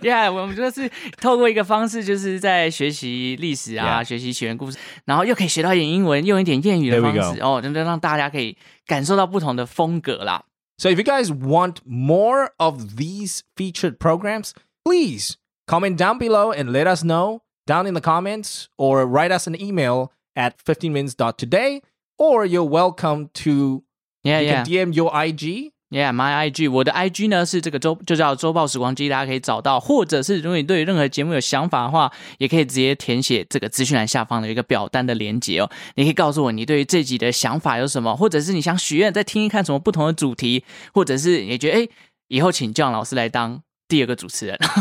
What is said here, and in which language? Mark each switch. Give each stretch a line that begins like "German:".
Chinese: Yeah, 我们就是透过一个方式，就是在学习历史啊，学习起源故事，然后又可以学到一点英文，用一点谚语的方式哦，能够让大家可以 感受到不同的风格啦。So
English: if you guys want more of these featured programs, please comment down below and let us know down in the comments or write us an email at 15minutes.today or you're welcome to DM your IG. Yeah, my IG.
Chinese: 我的 IG 呢是这个周就叫周报时光机，大家可以找到。或者是如果你对任何节目有想法的话，也可以直接填写这个资讯栏下方的一个表单的连结哦。你可以告诉我你对于这集的想法有什么，或者是你想许愿再听一看什么不同的主题，或者是你觉得哎，以后请江老师来当第二个主持人。